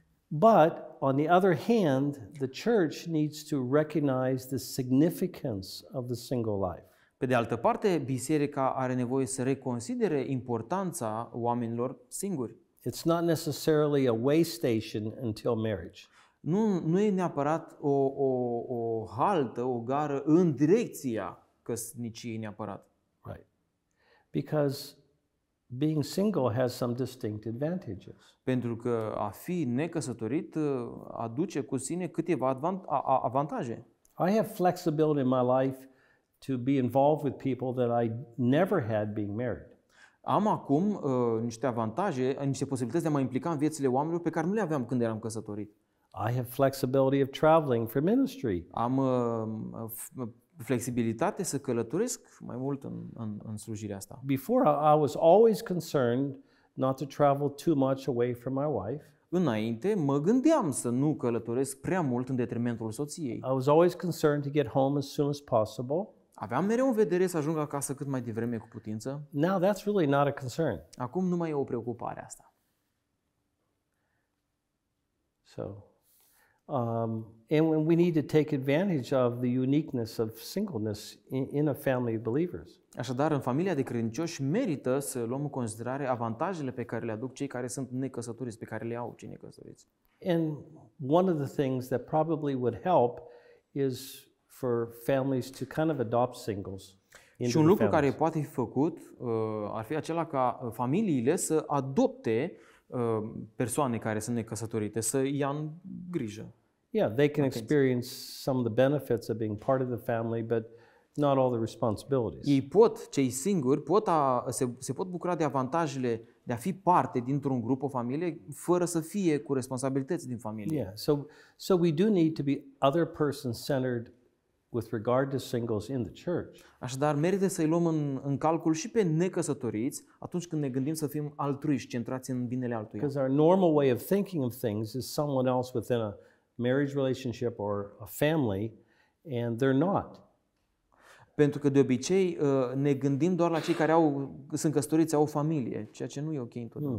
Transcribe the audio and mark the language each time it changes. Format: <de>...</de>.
<en>But on the other hand, the church needs to recognize the significance of the single life.</en> <ro>Pe de altă parte, biserica are nevoie să reconsidere importanța oamenilor singuri.</ro> <en>It's not necessarily a way station until marriage.</en> <ro>Nu e neapărat o haltă, o gară în direcția căsniciei neapărat.</ro> <en>Right. Because being single has some distinct advantages.</en> <ro>Pentru că a fi necăsătorit aduce cu sine câteva avantaje.</ro> <en>I have flexibility in my life to be involved with people that I never had being married.</en> <ro>Am acum niște avantaje, niște posibilități de a mă implica în viețile oamenilor pe care nu le aveam când eram căsătorit.</ro> <en>I have flexibility of traveling for ministry.</en> <ro>Am flexibilitate să călătoresc mai mult în slujirea asta.</ro> <en>Before I was always concerned not to travel too much away from my wife.</en> <ro>Înainte mă gândeam să nu călătoresc prea mult în detrimentul soției.</ro> <en>I was always concerned to get home as soon as possible.</en> <ro>Aveam mereu în vedere să ajung acasă cât mai devreme cu putință.</ro> <en>Now that's really not a concern.</en> <ro>Acum nu mai e o preocupare asta.</ro> <en>So and we need to take advantage of the uniqueness of singleness in a family of believers.</en> <ro>Așadar, în familia de credincioși merită să luăm în considerare avantajele pe care le aduc cei care sunt necăsătoriți, pe care le au cei necăsătoriți.</ro> <en>And one of the things that probably would help is for families to kind of adopt singles.</en> <ro>Și un lucru care poate fi făcut ar fi acela ca familiile să adopte persoane care sunt necăsătorite să ia în grijă.</ro> <en>Yeah, they can experience some of the benefits of being part of the family, but not all the responsibilities.</en> <ro>Ei pot, cei singuri, se pot bucura de avantajele de a fi parte dintr-un grup, o familie, fără să fie cu responsabilități din familie.</ro> <en>Yeah, so we do need to be other person-centered with regard to singles in the church.</en> <ro>Așadar, merită să-i luăm în calcul și pe necăsătoriți atunci când ne gândim să fim altruiști, centrați în binele altuia.</ro> <en>Because our normal way of thinking of things is someone else within a marriage relationship or a family, and they're not.</en> <ro>Pentru că de obicei ne gândim doar la cei care sunt căsătoriți, au o familie, ceea ce nu e ok întotdeauna.</ro>